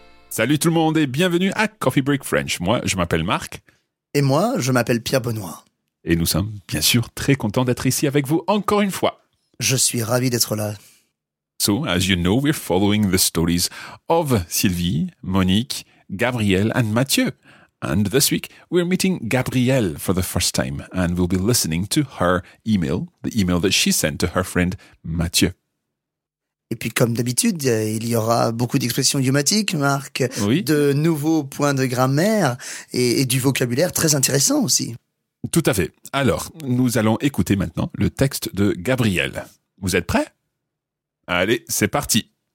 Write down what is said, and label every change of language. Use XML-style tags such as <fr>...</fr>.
<fr>Salut tout le monde et bienvenue à Coffee Break French. Moi, je m'appelle Marc. Et moi, je m'appelle Pierre Benoît. Et nous sommes, bien sûr, très contents d'être ici avec vous encore une fois. Je suis ravi d'être là.</fr> <en>So, as you know, we're following the stories of Sylvie, Monique, Gabriel and Mathieu. And this week, we're meeting Gabrielle for the first time and we'll be listening to her email, the email that she sent to her friend Mathieu.</en> <fr>Et puis, comme d'habitude, il y aura beaucoup d'expressions idiomatiques, Marc, oui. De nouveaux points de grammaire et du vocabulaire très intéressant aussi. Tout à fait. Alors, nous allons écouter maintenant le texte de Gabrielle. Vous êtes prêts? Allez, c'est parti.</fr>